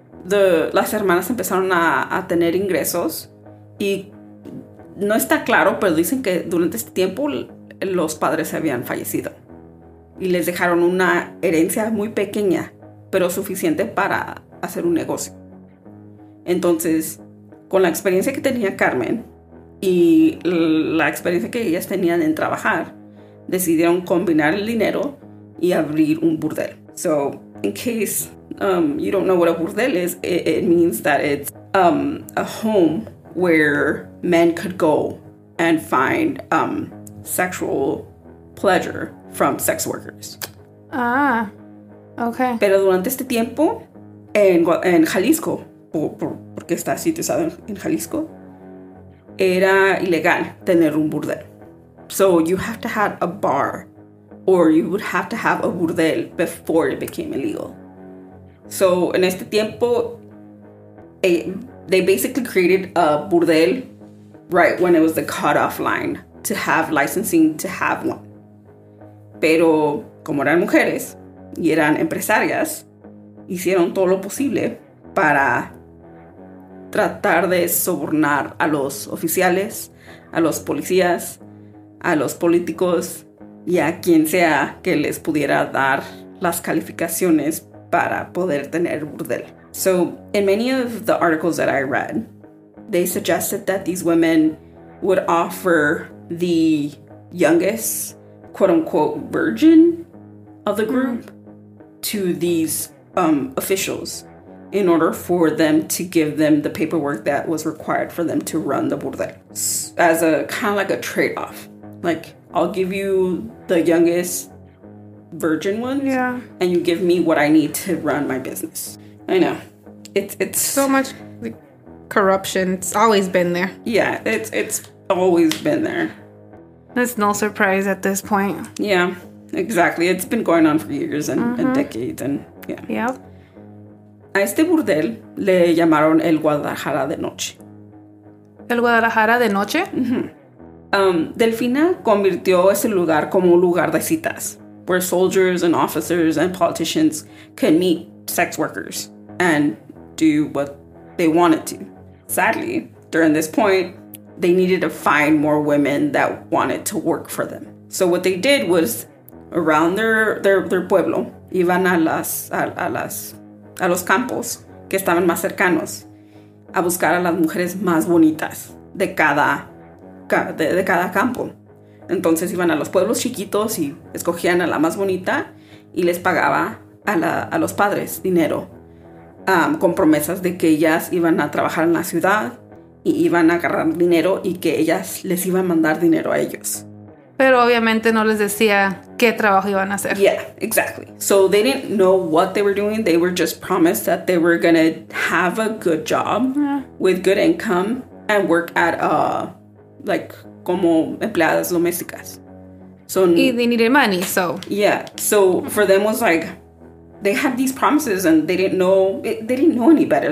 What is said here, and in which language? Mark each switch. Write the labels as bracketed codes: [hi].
[es] las hermanas empezaron a tener ingresos y no está claro, pero dicen que durante este tiempo los padres habían fallecido y les dejaron una herencia muy pequeña, pero suficiente para hacer un negocio. Entonces, con la experiencia que tenía Carmen y la experiencia que ellas tenían en trabajar, decidieron combinar el dinero y abrir un burdel. [en] So, in case you don't know what a burdel is, it means that it's a home where men could go and find sexual pleasure from sex workers. Ah, okay. [es] Pero durante este tiempo, en Jalisco, porque está situado en Jalisco, era ilegal tener un burdel. [en] So you have to have a bar, or you would have to have a burdel before it became illegal. So [es] en este tiempo, [en] they basically created a burdel right when it was the cutoff line to have licensing to have one. [es] Pero como eran mujeres y eran empresarias, hicieron todo lo posible para tratar de sobornar a los oficiales, a los policías, a los políticos y a quien sea que les pudiera dar las calificaciones para poder tener burdel. [en] So, in many of the articles that I read, they suggested that these women would offer the youngest, quote-unquote, virgin of the group to these officials in order for them to give them the paperwork that was required for them to run the burdel. As a kind of like a trade-off. Like, I'll give you the youngest virgin ones. Yeah. And you give me what I need to run my business. I know. It's so much corruption. It's always been there. Yeah, it's always been there. That's no surprise at this point. Yeah, exactly. It's been going on for years and, mm-hmm. and decades. And yeah. Yep. [es] A este burdel le llamaron el Guadalajara de Noche. ¿El Guadalajara de Noche? [en] Mm-hmm. [es] Delfina convirtió ese lugar como un lugar de citas, [en] where soldiers and officers and politicians can meet sex workers and do what they wanted to. Sadly, during this point, they needed to find more women that wanted to work for them. So what they did was, around their pueblo, [es] iban a los campos que estaban más cercanos a buscar a las mujeres más bonitas de cada campo. Entonces iban a los pueblos chiquitos y escogían a la más bonita y les pagaba a los padres dinero con promesas de que ellas iban a trabajar en la ciudad y iban a agarrar dinero y que ellas les iban a mandar dinero a ellos. Pero obviamente no les decía qué trabajo iban a hacer. [en] Yeah, exactly. So they didn't know what they were doing. They were just promised that they were going to have a good job with good income and work at [es] como empleadas domésticas. [en] So, y they needed money, so. Yeah, so for them was like, they had these promises and they didn't know any better.